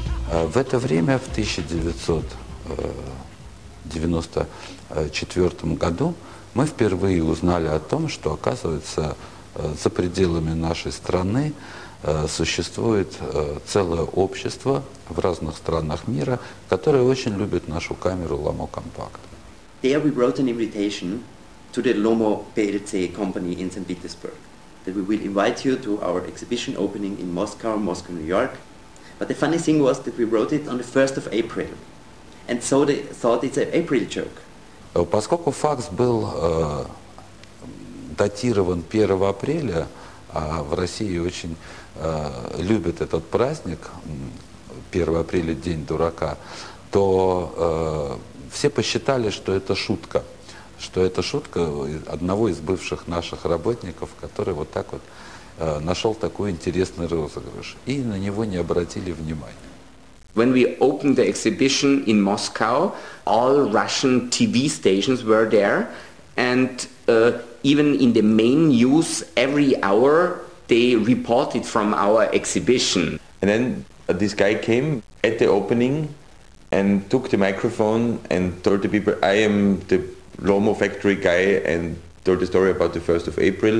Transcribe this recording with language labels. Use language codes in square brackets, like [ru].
[ru] В это время, в 1994 году, мы впервые узнали о том, что, оказывается, за пределами нашей страны существует целое общество в разных странах мира, которое очень любит нашу камеру Lomo Compact. [en] There we wrote an invitation to the Lomo PLC company in St. Petersburg, that we will invite you to our exhibition opening in Moscow, Moscow, New York. But the funny thing was that we wrote it on the 1st of April. And so they thought it's an April joke. [ru] Поскольку факс был датирован 1 апреля, а в России очень любят этот праздник, 1 апреля – день дурака, то все посчитали, что это шутка. Что это шутка одного из бывших наших работников, который вот так вот нашел такой интересный розыгрыш. И на него не обратили внимания. [en] When we opened the exhibition in Moscow, all Russian TV stations were there, and even in the main news, every hour they reported from our exhibition. And then this guy came at the opening and took the microphone and told the people, I am the Lomo factory guy, and told the story about the 1st of April.